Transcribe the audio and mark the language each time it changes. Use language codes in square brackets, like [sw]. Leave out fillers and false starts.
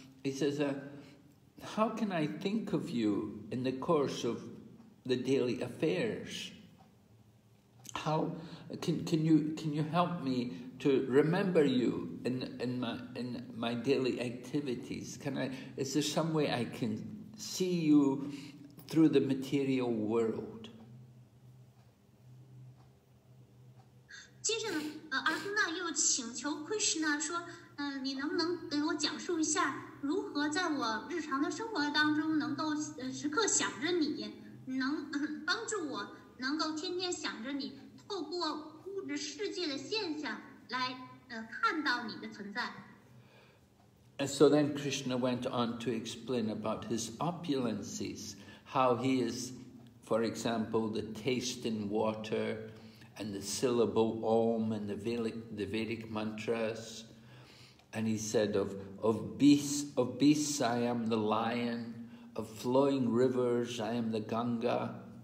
[en] He says how can I think of you in the course of the daily affairs? How can you help me to remember you in my daily activities? Is there some way I can see you through the material world? [zh] 接着，阿姑娜又请求Krishna说，你能不能给我讲述一下，如何在我日常的生活当中能够时刻想着你，能帮助我，能够天天想着你，透过物质世界的现象来看到你的存在。 [en] And so then Krishna went on to explain about his opulences, how he is, for example, the taste in water, and the syllable Om and the Vedic mantras. And he said, of beasts I am the lion, of flowing rivers I am the Ganga.